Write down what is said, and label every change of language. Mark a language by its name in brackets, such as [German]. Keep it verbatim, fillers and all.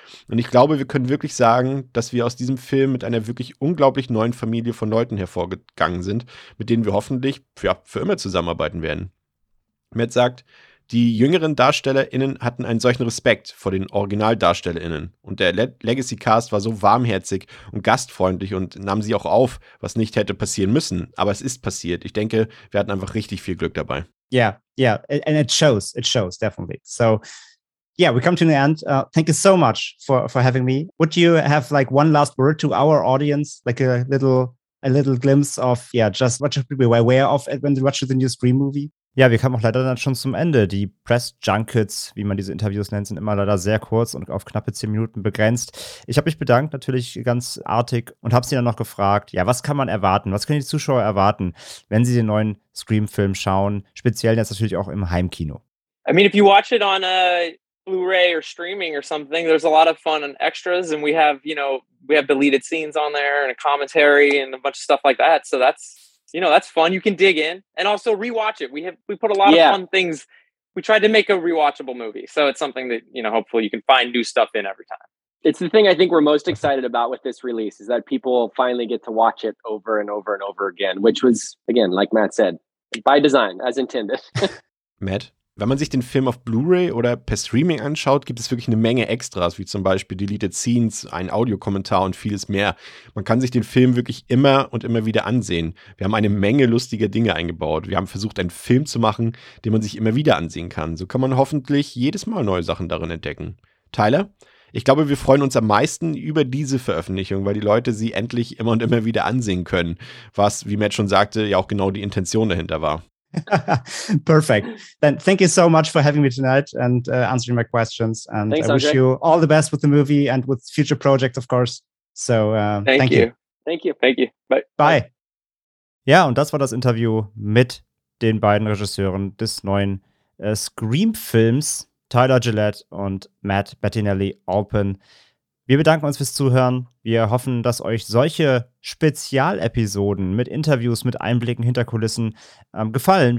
[German] Und ich glaube, wir können wirklich sagen, dass wir aus diesem Film mit einer wirklich unglaublich neuen Familie von Leuten hervorgegangen sind, mit denen wir hoffentlich für, für immer zusammenarbeiten werden. Matt sagt, die jüngeren DarstellerInnen hatten einen solchen Respekt vor den OriginaldarstellerInnen und der Le- Legacy-Cast war so warmherzig und gastfreundlich und nahm sie auch auf, was nicht hätte passieren müssen, aber es ist passiert. Ich denke, wir hatten einfach richtig viel Glück dabei. [English] Yeah, yeah, and it shows, it shows, definitely. So, yeah, we come to the end. Uh, thank you so much for, for having me. Would you have like one last word to our audience, like a little... a little glimpse of, yeah, just what should be aware of when they watch the new Scream movie. [German] Ja, wir kamen auch leider dann schon zum Ende. Die Press Junkets, wie man diese Interviews nennt, sind immer leider sehr kurz und auf knappe zehn Minuten begrenzt. Ich habe mich bedankt, natürlich ganz artig, und habe sie dann noch gefragt, ja, was kann man erwarten? Was können die Zuschauer erwarten, wenn sie den neuen Scream-Film schauen? Speziell jetzt natürlich auch im Heimkino. [English] I mean, if you watch it on a Blu-ray or streaming or something, there's a lot of fun and extras, and we have, you know, we have deleted scenes on there and a commentary and a bunch of stuff like that. So that's, you know, that's fun. You can dig in and also rewatch it. We have, we put a lot yeah. of fun things. We tried to make a rewatchable movie. So it's something that, you know, hopefully you can find new stuff in every time. It's the thing I think we're most excited about with this release is that people finally get to watch it over and over and over again, which was, again, like Matt said, by design, as intended. Matt? [German] Wenn man sich den Film auf Blu-ray oder per Streaming anschaut, gibt es wirklich eine Menge Extras, wie zum Beispiel Deleted Scenes, einen Audiokommentar und vieles mehr. Man kann sich den Film wirklich immer und immer wieder ansehen. Wir haben eine Menge lustiger Dinge eingebaut. Wir haben versucht, einen Film zu machen, den man sich immer wieder ansehen kann. So kann man hoffentlich jedes Mal neue Sachen darin entdecken. Tyler? Ich glaube, wir freuen uns am meisten über diese Veröffentlichung, weil die Leute sie endlich immer und immer wieder ansehen können, was, wie Matt schon sagte, ja auch genau die Intention dahinter war. [English] Perfect. Then thank you so much for having me tonight and uh, answering my questions. And Thanks, I wish Andre. you all the best with the movie and with future projects, of course. So uh, Thank, thank you. you. Thank you. Thank you. Bye. Bye. [German] Ja, und das war das Interview mit den beiden Regisseuren des neuen äh, Scream-Films, Tyler Gillette und Matt Bettinelli-Alpen. Wir bedanken uns fürs Zuhören. Wir hoffen, dass euch solche Spezialepisoden mit Interviews, mit Einblicken hinter Kulissen ähm, gefallen.